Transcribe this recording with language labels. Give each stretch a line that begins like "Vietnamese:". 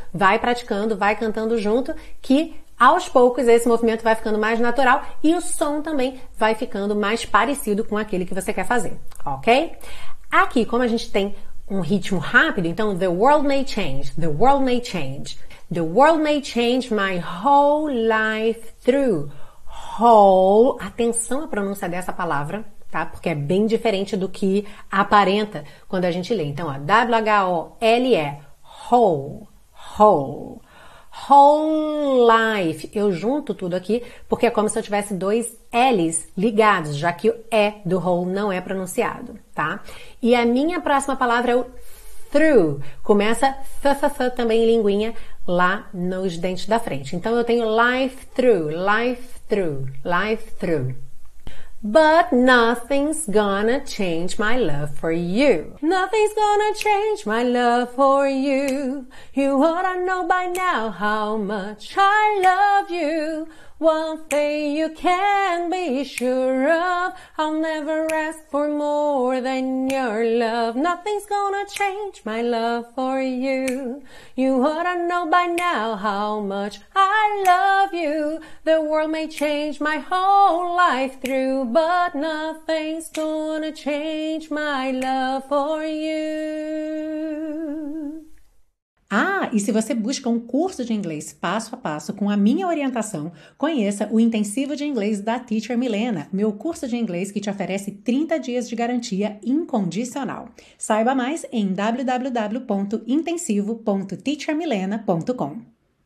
Portuguese: Vai praticando, vai cantando junto, que aos poucos esse movimento vai ficando mais natural e o som também vai ficando mais parecido com aquele que você quer fazer, ok? Aqui, como a gente tem um ritmo rápido, então
English: the world may change,
Portuguese: the world may change.
English: The world may change my whole life through.
Portuguese: Whole, atenção à pronúncia dessa palavra, tá? Porque é bem diferente do que aparenta quando a gente lê. Então, ó, W-H-O-L-E,
English: whole, whole, whole life.
Portuguese: Eu junto tudo aqui porque é como se eu tivesse dois L's ligados, já que o E do whole não é pronunciado, tá? E a minha próxima palavra é o through. Começa f-f-f também em linguinha lá nos dentes da frente. Então, eu tenho
English: life through, life through, life through. But nothing's gonna change my love for you. Nothing's gonna change my love for you. You oughta know by now how much I love you. One thing you can be sure of, I'll never ask for more than your love. Nothing's gonna change my love for you. You ought to know by now how much I love you. The world may change my whole life through, but nothing's gonna change my love for you.
Portuguese: Ah, e se você busca um curso de inglês passo a passo com a minha orientação, conheça o Intensivo de Inglês da Teacher Milena, meu curso de inglês que te oferece 30 dias de garantia incondicional. Saiba mais em www.intensivo.teachermilena.com.